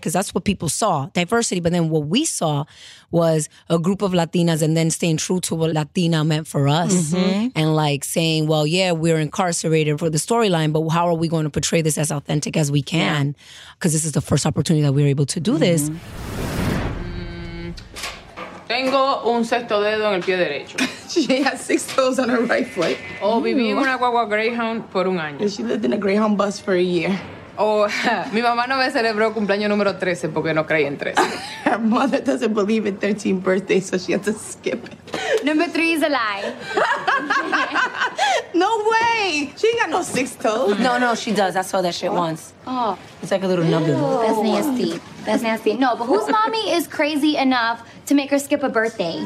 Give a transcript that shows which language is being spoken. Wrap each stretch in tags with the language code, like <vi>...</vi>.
<en>Because that's what people saw, diversity. But then what we saw was a group of Latinas and then staying true to what Latina meant for us. And like saying, well, yeah, we're incarcerated for the storyline, but how are we going to portray this as authentic as we can? Because this is the first opportunity that we were able to do this.</en> <es>Tengo un sexto dedo en el pie derecho.</es> <en>She has six toes on her right foot.</en> <es>O viví en una guagua Greyhound por un año.</es> <en>And she lived in a Greyhound bus for a year.</en> <es>O mi mamá no me celebró cumpleaños número 13 porque no creía en 13.</es> <en>Her mother doesn't believe in 13 birthdays, so she has to skip it. Number 3 is a lie. No way! She ain't got no six toes. No, no, she does. I saw that shit once. Oh. It's like a little nubby. That's nasty. That's nasty. No, but whose mommy is crazy enough to make her skip a birthday?</en>